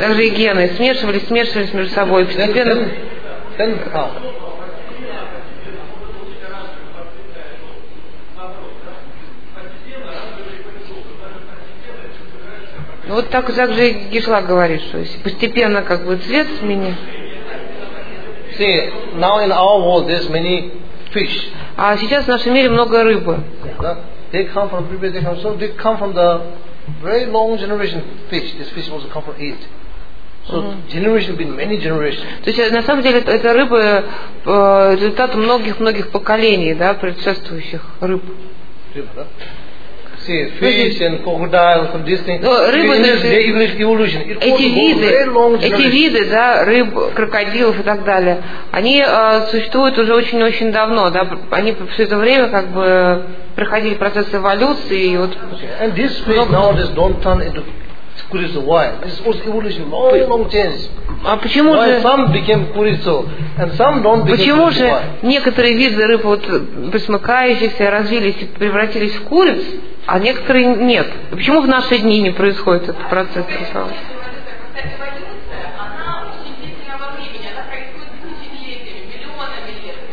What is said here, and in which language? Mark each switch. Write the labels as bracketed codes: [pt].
[ru] Также и гены смешивались между собой, постепенно. [en] Then how? [ru] Ну вот так же и Гишлак говорит, что если постепенно как бы цвет сменит. [en] See, now in our world there's many fish. [ru] А сейчас в нашем мире много рыбы. [en] They come from previous generation. They come from the very long generation fish. This fish also come from eat. So generation been many generations. [ru] То есть на самом деле это рыба результат многих поколений, да, предшествующих рыб. Рыба, да? [en] Fish and crocodile, some these things. [ru] Эти виды, да, рыб, крокодилов и так далее, они существуют уже очень-очень давно, да, они все это время как бы проходили процесс эволюции и вот. [en] And this fish nowadays don't turn into курицу. Why? This was evolution long change. [ru] А почему же? [en] Why some became курицу and some don't become? [ru] Почему же некоторые виды рыб вот пресмыкающихся развились и превратились в куриц? А некоторые нет. Почему в наши дни не происходит этот процесс? Эволюция, она очень длительного времени. Она происходит тысячи лет, миллионами лет.